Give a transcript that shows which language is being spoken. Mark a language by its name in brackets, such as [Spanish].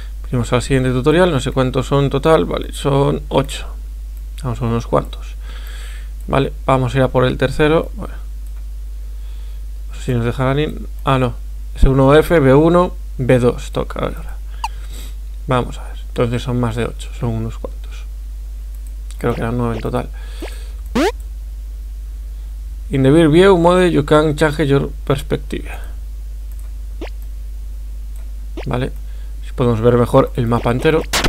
[Spanish] Vamos al siguiente tutorial. No sé cuántos son total. Vale, son 8. Vamos a unos cuantos. Vale, vamos a ir a por el tercero. Bueno. No sé si nos dejarán ir. Ah, no. Es 1F, B1, B2. Toca ahora. Vamos a ver. Entonces son más de 8, son unos cuantos. Creo que eran 9 en total. [English] In the view mode you can change your perspective. [Spanish] Vale, si podemos ver mejor el mapa entero.